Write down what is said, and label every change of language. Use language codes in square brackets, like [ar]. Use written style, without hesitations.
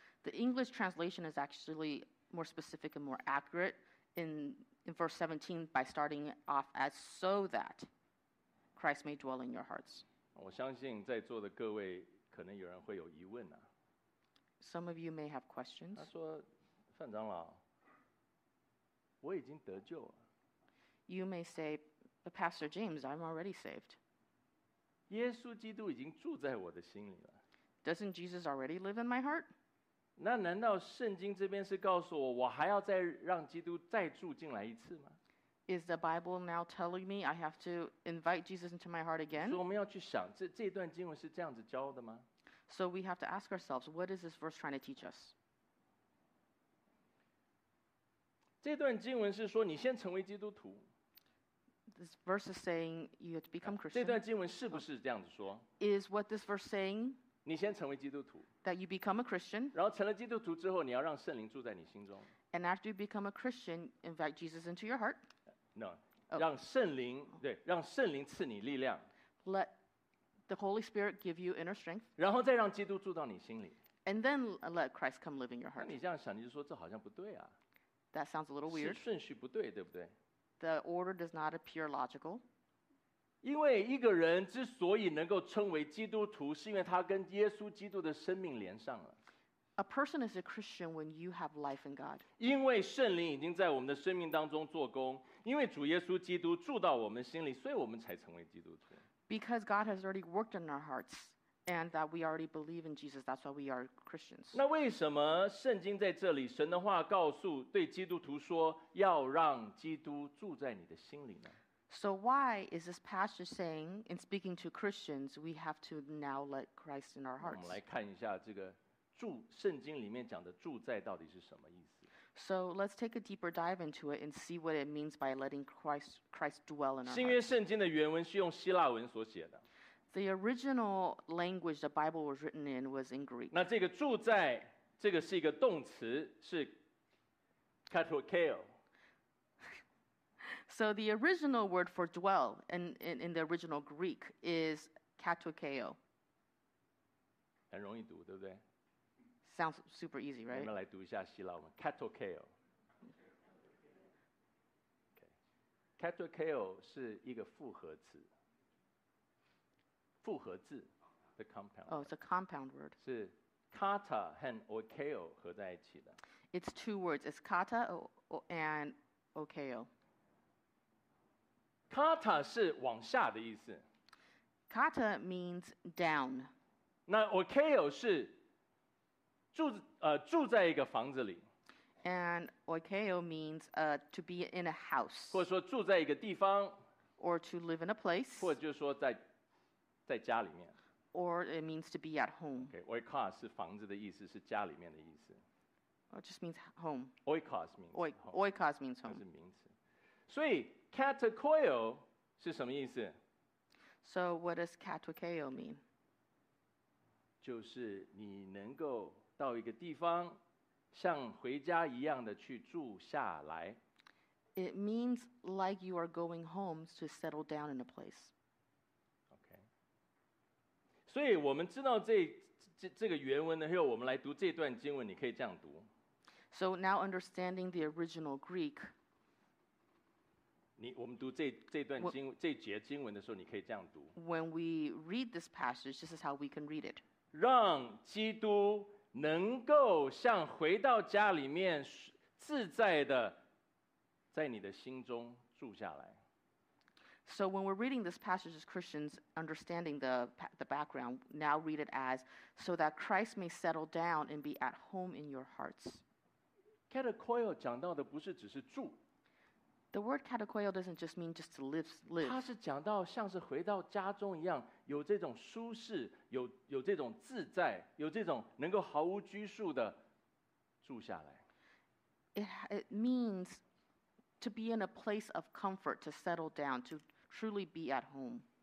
[en] The English translation is actually more specific and more accurate in verse 17 by starting off as so that Christ may dwell in your hearts. [zh] 我相信在座的各位可能有人会有疑问啊。 [en] Some of you may have questions. [zh] 他说，范长老，我已经得救了。 [en] You may say, Pastor James, I'm already saved. [zh] 耶稣基督已经住在我的心里了。 [en] Doesn't Jesus already live in my heart? [zh] 那难道圣经这边是告诉我，我还要再让基督再住进来一次吗？ [en] Is the Bible now telling me I have to invite Jesus into my heart again? [zh] 所以我们要去想，这段经文是这样子教的吗？ [en] So we have to ask ourselves, what is this verse trying to teach us? [zh] 这段经文是说你先成为基督徒。 [en] This verse is saying you have to become Christian. [zh] 这段经文是不是这样子说？ [en] Is what this verse saying? [zh] 你先成为基督徒。 [en] That you become a Christian. [zh] 然后成了基督徒之后，你要让圣灵住在你心中。 [en] And after you become a Christian, invite Jesus into your heart. No, oh. [zh] 让圣灵赐你力量。 [en] Let the Holy Spirit give you inner strength. [zh] 然后再让基督住到你心里。 [en] And then let Christ come live in your heart. [zh] 那你这样想，你就说这好像不对啊。 [en] That sounds a little weird. [zh] 是顺序不对，对不对？ [en] The order does not appear logical. [zh] 因为一个人之所以能够称为基督徒，是因为他跟耶稣基督的生命连上了。 [en] A person is a Christian when you have life in God. [zh] 因为圣灵已经在我们的生命当中做工，因为主耶稣基督住到我们心里，所以我们才成为基督徒。 [en] Because God has already worked in our hearts, and that we already believe in Jesus, that's why we are Christians. [zh] 那为什么圣经在这里，神的话告诉对基督徒说，要让基督住在你的心里呢？ [en] So why is this pastor saying, in speaking to Christians, we have to now let Christ in our hearts? [zh] 我们来看一下这个。住圣经里面讲的住在到底是什么意思 [en] So let's take a deeper dive into it and see what it means by letting Christ dwell in our [zh] 新约圣经的原文是用希腊文所写的 [en] The original language the Bible was written in was in Greek [zh] 那这个住在这个是一个动词是 katokeo [en] So the original word for dwell in the original Greek is katokeo [zh] 很容易读对不对 [en] Sounds super easy, right? [zh] 我们来读一下希腊文 ，katokeo。 Katokeo 是一个复合词，复合字 ， [en] the compound。 Oh, it's a compound word. [zh] 是 kata 和 okeo 合在一起的。 [en] It's two words. It's kata and okeo. [zh] Kata 是往下的意思。 [en] Kata means down. [zh] 那 okeo 是住在一个房子里 [en] and oikeo means to be in a house [zh] 或者说住在一个地方 [en] or to live in a place [zh] 或者就是说在家里面 [en] or it means to be at home [zh] okay, oikos 是房子的意思是家里面的意思 [en] it just means home oikos means home oikos means home [zh] 是名词所以 katokeo 是什么意思 [en] so what does katokeo mean [zh] 就是你能够到一个地方，像回家一样的去住下来。 [en] It means like you are going home to settle down in a place. Okay. [zh] 所以我们知道这个原文的时候，我们来读这段经文，你可以这样读。 [en] So now understanding the original Greek. [zh] 我们读这段经文这节经文的时候，你可以这样读。 [en] When we read this passage, this is how we can read it. [zh] 让基督能够像回到家里面自在的在你的心中住下来。 [en] So when we're reading this passage as Christians, understanding the background, now read it as so that Christ may settle down and be at home in your hearts. [zh] Katakoyo 讲到的不是只是住。 [en] The word katakoyo doesn't just mean just to live. [zh] 它是讲到像是回到家中一样，有这种舒适，有这种自在，有这种能够毫无拘束的住下来。 [en] It means to be in a place of comfort, to settle down, to truly be at home.